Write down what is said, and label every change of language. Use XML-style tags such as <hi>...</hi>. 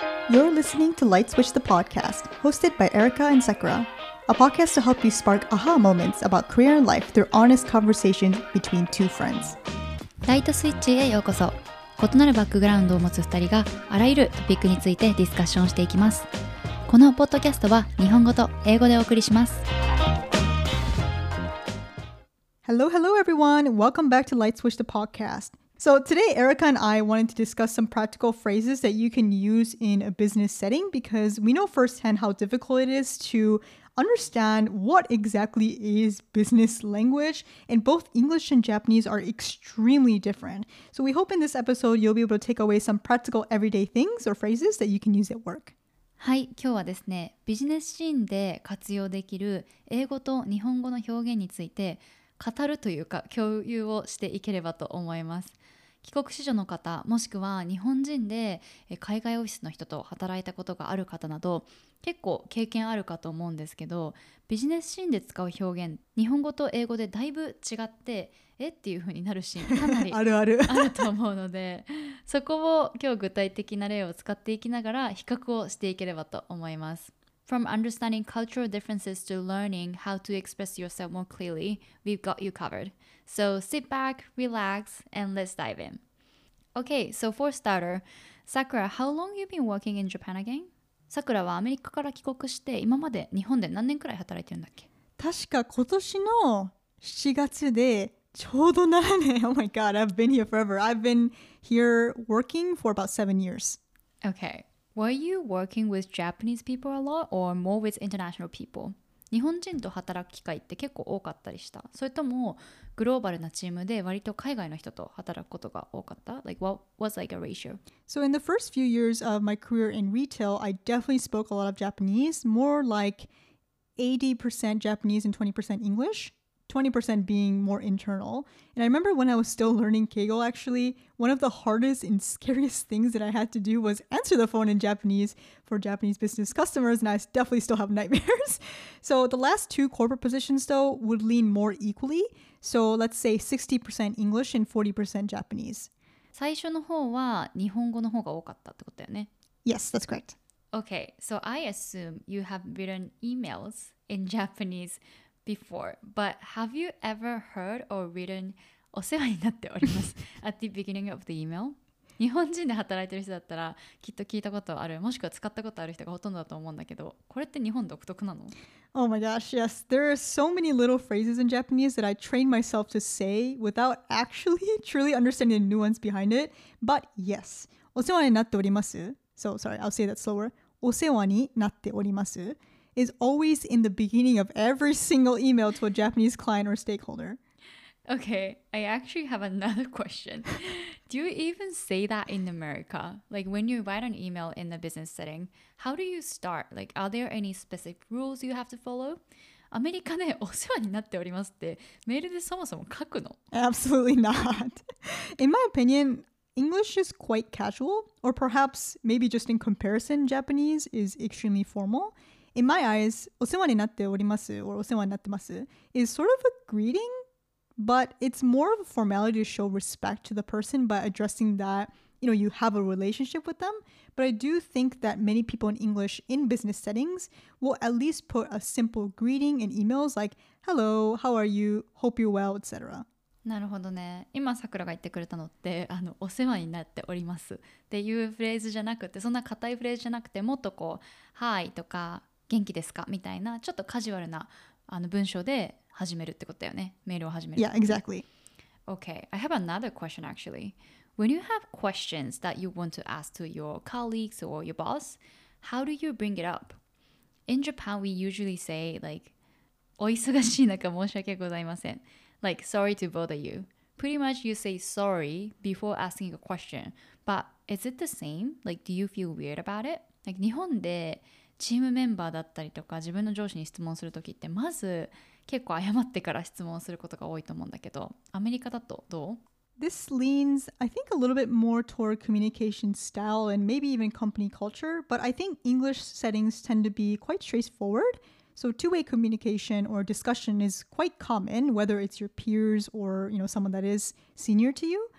<en>You're listening to Light Switch the Podcast, hosted by Erica and Sakura, a podcast to help you spark aha moments about career and life through honest conversations between two friends.</en> <ja>Light Switch へようこそ。異なるバックグラウンドを持つ2人があらゆるトピックについてディスカッションしていきます。このポッドキャストは日本語と英語でお送りします。</ja> <en>Hello, hello everyone. Welcome back to Light Switch the Podcast. So today, Erica and I wanted to discuss some practical phrases that you can use in a business setting because we know firsthand how difficult it is to understand what exactly is business language, and both English and Japanese are extremely different. So we hope in this episode, you'll be able to take away some practical everyday things or phrases that you can use at work.</en> <ja>はい、今日はですね、ビジネスシーンで活用できる英語と日本語の表現について語るというか共有をしていければと思います。帰国子女の方、もしくは日本人で海外オフィスの人と働いたことがある方など結構経験あるかと思うんですけど、ビジネスシーンで使う表現、日本語と英語でだいぶ違って、えっていう風になるシーンかなりあるあるあると思うのでそこを今日具体的な例を使っていきながら比較をしていければと思います。</ja> <en>From understanding cultural differences to learning how to express yourself more clearly, we've got you covered. So sit back, relax, and let's dive in. Okay, so for starter, Sakura, how long have you been working in Japan again?</en> <ja>Sakura はアメリカから帰国して今まで日本で何年くらい働いてるんだっけ？確か今年の7月でちょうど7年。</ja> <en>Oh my god, I've been here forever. I've been here working for about 7 years. Okay. Were you working with Japanese people a lot or more with international people?</en> <ja>日本人と働く機会って結構多かったりした？それともグローバルなチームで割と海外の人と働くことが多かった？</ja> <en>Like, what was like a ratio? So in the first few years of my career in retail, I definitely spoke a lot of Japanese, more like 80% Japanese and 20% English, 20% being more internal. And I remember when I was still learning Keigo, actually, one of the hardest and scariest things that I had to do was answer the phone in Japanese for Japanese business customers, and I definitely still have nightmares. So the last two corporate positions, though, would lean more equally. So let's say 60% English and 40% Japanese.</en> <ja>最初の方は日本語の方が多かったってことだよね。</ja> <en>Yes, that's correct. Okay, so I assume you have written emails in Japanese before, but have you ever heard or written</en> <ja>お世話になっております</ja> <en>at the beginning of the email?</en> <ja>日本人で働いてる人だったらきっと聞いたことある、もしくは使ったことある人がほとんどだと思うんだけど、これって日本独特なの？</ja> <en>Oh my gosh, yes. There are so many little phrases in Japanese that I train myself to say without actually truly understanding the nuance behind it. But yes,</en> <ja>お世話になっております。</ja> <en>So sorry, I'll say that slower.</en> <ja>お世話になっております。</ja> <en>is always in the beginning of every single email to a Japanese client or stakeholder. Okay, I actually have another question. Do you even say that in America? Like when you write an email in a business setting, how do you start? Like, are there any specific rules you have to follow?</en> <ja>アメリカでお世話になっておりますってメールでそもそも書くの？</ja> <en>Absolutely not. In my opinion,English is quite casual, or perhaps maybe just in comparison, Japanese is extremely formal. In my eyes,</en> <ja>お世話になっております or お世話になってます</ja> <en>is sort of a greeting, but it's more of a formality to show respect to the person by addressing that, you know, you have a relationship with them. But I do think that many people in English in business settings will at least put a simple greeting in emails like, hello, how are you? Hope you're well, etc.</en> <ja>なるほどね。今さくらが言ってくれたのって、あのお世話になっておりますっていうフレーズじゃなくて、そんな固いフレーズじゃなくて、もっとこうはいとか元気ですかみたいな、ちょっとカジュアルなあの文章で始めるってことだよね、メールを始める。</ja> <en>Yeah, exactly. Okay, I have another question actually. When you have questions that you want to ask to your colleagues or your boss, how do you bring it up? In Japan, we usually say like,</en> <ja>お忙しい中申し訳ございません、</ja> <en>Like, sorry to bother you. Pretty much you say sorry before asking a question. But is it the same? Like, do you feel weird about it?</en> <ja>Like, 日本でチームメンバーだったりとか自分の上司に質問するときって、まず結構謝ってから質問することが多いと思うんだけど、アメリカだとどう？</ja> <en>This leans, I think, a little bit more toward communication style and maybe even company culture. But I think English settings tend to be quite straightforward. So two-way communication or discussion is quite common, whether it's your peers or, you know, someone that is senior to you.</en>